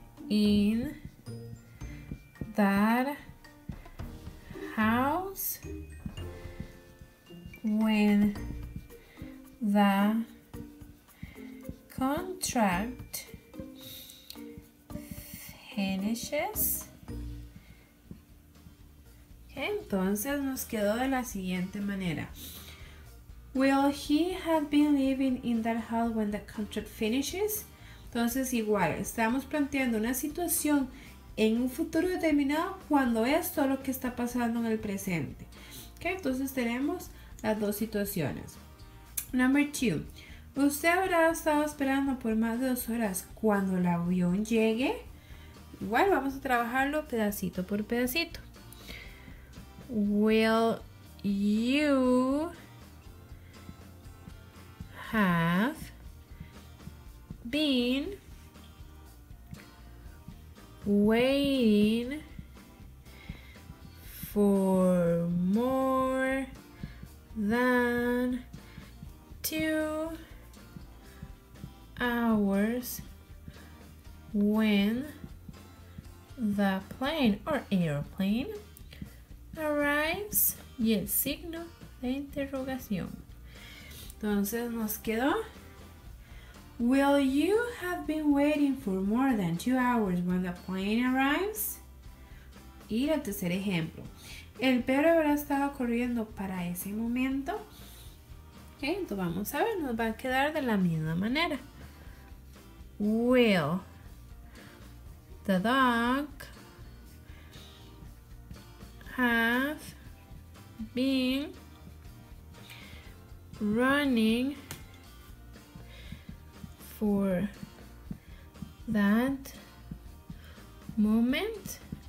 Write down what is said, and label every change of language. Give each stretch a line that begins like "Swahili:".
English: in that house when the contract finishes?
Spanish: Entonces nos quedó de la siguiente manera.
English: Will he have been living in that house when the contract finishes?
Spanish: Entonces igual, estamos planteando una situación en un futuro determinado cuando es todo lo que está pasando en el presente. ¿Qué? Entonces tenemos las dos situaciones.
English: Number two.
Spanish: ¿Usted habrá estado esperando por más de 2 horas cuando el avión llegue? Igual vamos a trabajarlo pedacito por pedacito.
English: Will you have been waiting for more than 2 hours when the plane or airplane arrives?
Spanish: Y el signo de interrogación. Entonces nos quedó.
English: Will you have been waiting for more than 2 hours when the plane arrives?
Spanish: Y el tercer ejemplo. ¿El perro habrá estado corriendo para ese momento? Okay, entonces vamos a ver, nos va a quedar de la misma manera.
English: Will the dog have been running for that moment?